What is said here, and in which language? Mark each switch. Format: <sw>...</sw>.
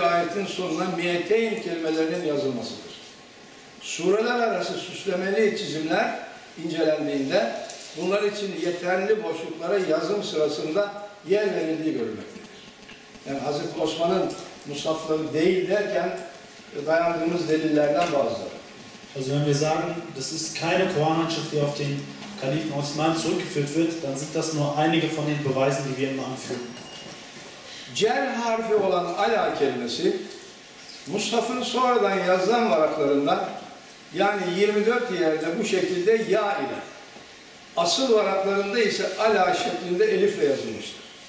<tr>ayetin sonuna miyeteyn kelimelerinin yazılmasıdır. Sureler arası süslemeli çizimler incelendiğinde bunlar için yeterli boşluklara yazım sırasında yer verildiği görülmektedir. Yani Hazreti Osman'ın musafları değil derken dayandığımız delillerden bazıları.</tr> <de>Also wenn wir sagen, das ist keine Koranhandschrift, die auf den Kalifen Osman zurückgeführt wird, dann sind das nur einige von den Beweisen, die wir immer anführen.</de> <tr>Cer harfi olan ala kelimesi, Mustafa'nın sonradan yazılan varaklarında, yani 24 yerde bu şekilde ya ile, asıl varaklarında ise ala şeklinde elifle yazılmıştır.</tr>